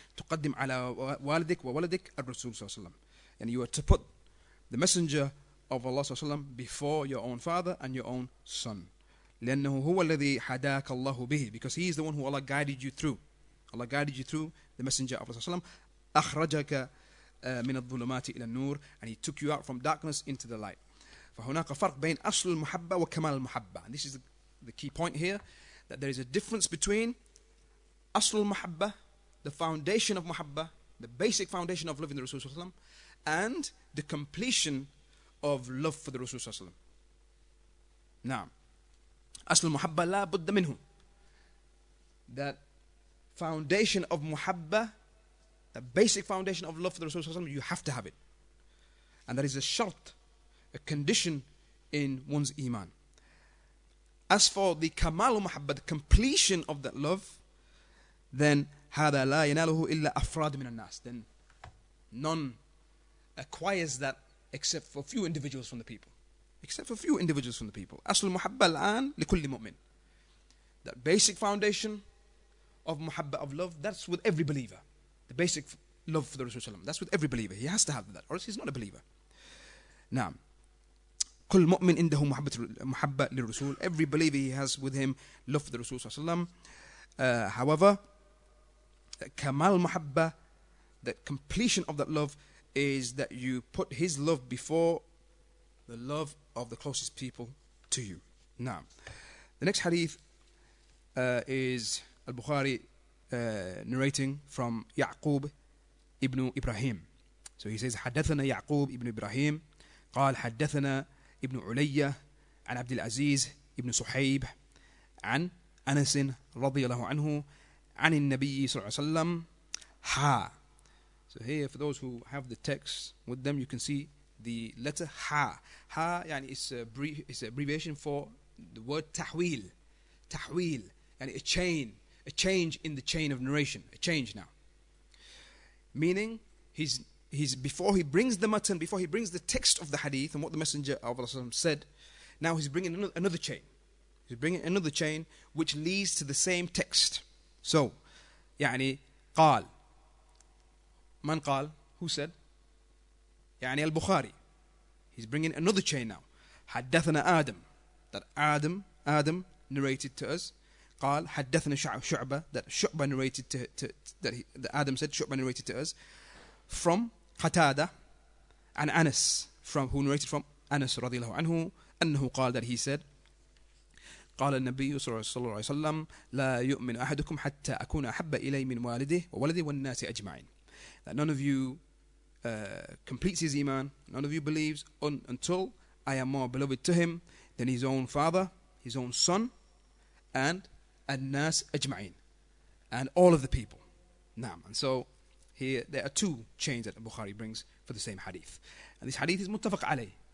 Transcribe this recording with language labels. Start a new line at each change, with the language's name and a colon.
Arabic: تقدم على والدك ووالدك الرسول صلى الله عليه وسلم.
English: And you are to put the messenger of Allah صلى الله عليه وسلم before your own father and your own son.
Arabic: لأنه هو الذي حداك الله به,
English: because he is the one who Allah guided you through. Allah guided you through the messenger of Allah.
Arabic: أخرجك من الظلمات إلى النور,
English: and he took you out from darkness into the light.
Arabic: فهناك فرق بين أصل المحبة وكمال المحبة.
English: And this is the key point here, that there is a difference between
Arabic: أصل المحبة,
English: the foundation of محبة, the basic foundation of loving the Rasul Sallallahu Alaihi Wasallam, and the completion of love for the Rasul Sallallahu Alaihi Wasallam.
Arabic: أصل المحبة لا بد منه.
English: That foundation of محبة, the basic foundation of love for the Rasul Sallallahu Alaihi Wasallam, you have to have it. And that is a shart, a condition in one's iman. As for the
Arabic: كمال المحبة,
English: the completion of that love, then
Arabic: هذا لا يناله إلا أفراد من الناس.
English: Then none acquires that except for a few individuals from the people. Except for a few individuals from the people.
Arabic: أصل المحبة الآن لكل مؤمن.
English: That basic foundation of محبة, of love, that's with every believer. The basic love for the Rasul Sallam, that's with every believer. He has to have that, or else he's not a believer.
Arabic: نعم. كل مؤمن عنده محبة للرسول.
English: Every believer, he has with him love for the Rasul Sallam. However,
Arabic: كمال محبة,
English: the completion of that love, is that you put his love before the love of the closest people to you. Now, the next hadith is Al-Bukhari narrating from Ya'qub ibn Ibrahim. So he says,
Arabic: حدثنا Ya'qub ibn Ibrahim قال حدثنا ibn Uliyya عن عبد العزيز ibn Suhayb عن أنس رضي الله عنه عن النبي صلى الله عليه وسلم ها.
English: So here, for those who have the text with them, you can see the letter ha. Ha, it's an abbreviation for the word tahwil. Tahwil, a change in the chain of narration. A change now. Meaning, he's before he brings the matan, before he brings the text of the hadith and what the messenger of Allah said, now he's bringing another chain. He's bringing another chain which leads to the same text. So,
Arabic: يعني قال. من قال?
English: Who said?
Arabic: يعني البخاري.
English: He's bringing another chain now.
Arabic: حدثنا آدم.
English: That Adam narrated to us.
Arabic: قال حدثنا شعبة.
English: That شعبة narrated that Adam said شعبة narrated to us. From قتادة. And Anas. Who narrated from Anas رضي الله عنه.
Arabic: أنه قال
English: that he said.
Arabic: قال النبي صلى الله عليه وسلم لا يؤمن أحدكم حتى أكون أحب إلي من والده وولدي والناس أجمعين.
English: That none of you completes his iman, none of you believes until I am more beloved to him than his own father, his own son, and
Arabic: الناس أجمعين,
English: and all of the people. Naam. And so here there are two chains that Bukhari brings for the same hadith, and this hadith is muttafaq alayh.